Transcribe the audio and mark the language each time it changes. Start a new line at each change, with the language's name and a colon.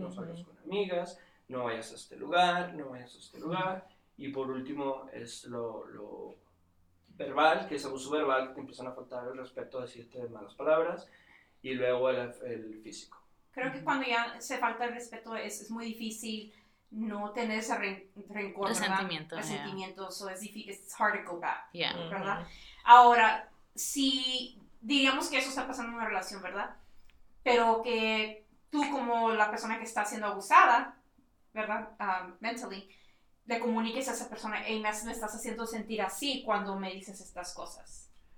Spanish: no salgas con amigas, no vayas a este lugar. Y por último es lo verbal, que es abuso verbal, que te empiezan a faltar el respeto, a decirte malas palabras, y luego el físico. Creo que cuando ya se falta el respeto es muy difícil no tener ese rencor, resentimiento, ¿verdad? Resentimiento,
English: yeah. So it's difficult, it's hard to go back, yeah.
Spanish: ¿Verdad? Mm-hmm. Ahora, si digamos que eso está pasando en una relación, ¿verdad? Pero que tú como la persona que está siendo abusada, ¿verdad?
English: Mentally,
Spanish: le comuniques a esa persona, hey, me estás haciendo sentir así cuando me dices estas cosas.